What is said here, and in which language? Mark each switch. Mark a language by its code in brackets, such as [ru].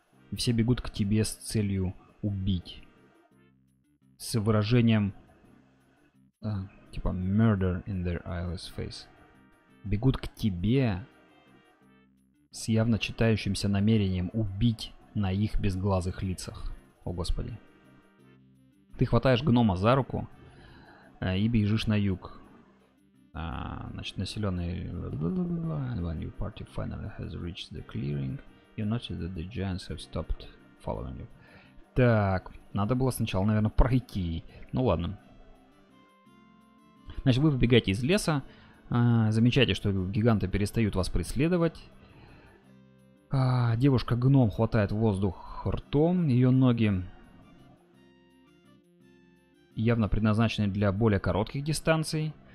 [ru] И все бегут к тебе с целью убить. С выражением типа [en] murder in their eyeless face. [ru] Бегут к тебе с явно читающимся намерением убить на их безглазых лицах. О, Господи. Ты хватаешь гнома за руку и бежишь на юг. Значит, [en] When your party finally has reached the clearing, you notice that the giants have stopped following you. [ru] Так, надо было сначала, наверное, пройти. Ну ладно. Значит, вы выбегаете из леса. Замечаете, что гиганты перестают вас преследовать. Девушка-гном хватает воздух ртом. Ее ноги явно предназначены для более коротких дистанций.